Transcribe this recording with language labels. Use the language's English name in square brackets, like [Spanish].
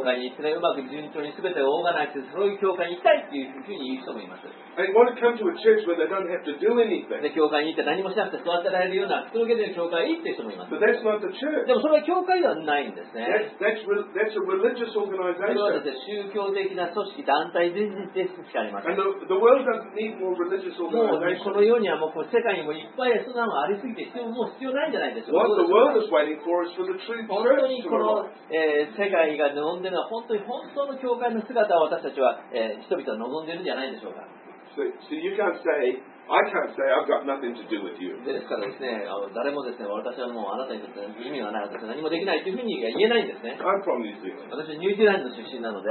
[Japanese] 教会に行ってうまく順調に全てをオーガナイズしてそういう教会に行きたいっていうふうに言う人もいます。 [English] And I want to come to a church where they don't have to do anything. [Japanese] で教会に行って何もしなくて座ってられるようなくつろげてる教会いいっていう人もいます。 [English] But that's not the church. [Japanese] でもそれは教会ではないんですね。 [English] That's a religious organization. [Japanese] それはですね、宗教的な組織団体全然ですしかありません。 [English] And the world doesn't need more religious organizations. [Japanese] もう、ね、このようにはもうこう世界にもいっぱいそんなのありすぎて もう必要ないんじゃないでしょうか。 [English] What the world is waiting for is for the true church. [Japanese] 本当にこの、世界が望んでるのは本当に本当の教会の姿を私たちは、人々は望んでるんじゃないでしょうか。 [English] So you can't say I can't say I've got nothing to do with you. [Japanese] ですからですね、誰もですね、私はもうあなたにとって意味はない、私は何もできないというふうに言えないんですね。 [English] I'm from New Zealand. [Japanese] 私はニュージーランド出身なので。